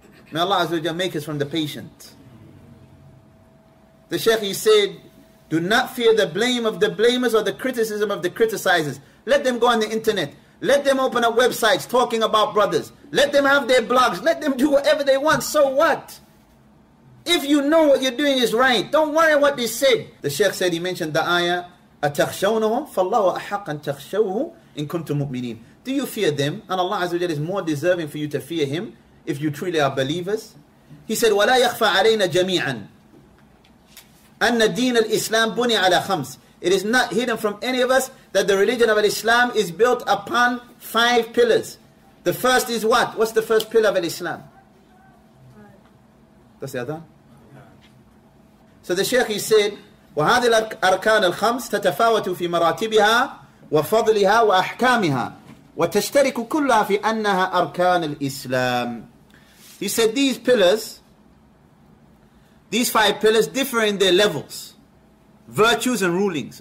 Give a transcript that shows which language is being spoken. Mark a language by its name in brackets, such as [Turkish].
[English] May Allah Azza wa Jalla make us from the patient. The Shaykh, he said, do not fear the blame of the blamers or the criticism of the criticizers. Let them go on the internet. Let them open up websites talking about brothers. Let them have their blogs. Let them do whatever they want. So what? If you know what you're doing is right, don't worry what they said. The Shaykh said, he mentioned the ayah, [Arabic] أَتَخْشَوْنَهُمْ فَاللَّهُ أَحَقَّ أَن تَخْشَوْهُ إِن كُنْتُمْ مُؤْمِنِينَ. [English] Do you fear them? And Allah Azza wa Jalla is more deserving for you to fear Him if you truly are believers. He said, [Arabic] وَلَا يَخْفَ عَلَيْنَا جَمِيعًا أَنَّ دِينَ الْإِسْلَامِ بُنِي عَلَى خَمْسِ. [English] It is not hidden from any of us that the religion of Islam is built upon five pillars. The first is what? What's the first pillar of Islam? That's the adhan. So the Shaykh, he said, [Arabic] وَهَذِي الْأَرْكَانَ الْخَمْسِ تَتَفَاوَتُ فِي مَرَاتِبِهَا وَفَضْلِهَا وَأَحْكَامِهَا وَتَشْتَرِكُ كُلَّهَا فِي أَنَّهَا أَرْكَانَ الْإِسْلَامِ. [English] He said, these pillars, these five pillars differ in their levels, virtues and rulings.